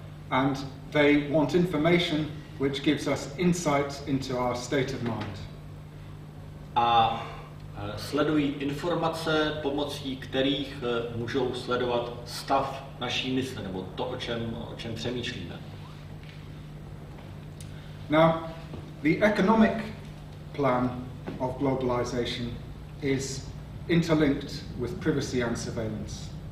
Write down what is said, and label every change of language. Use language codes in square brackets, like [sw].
[en] And they want information which gives us insight into our state of mind. [cs] A sledují informace, pomocí kterých můžou sledovat stav naší mysli, nebo to, o čem přemýšlíme. [en] Now, the economic plan of globalization is interlinked with privacy and surveillance.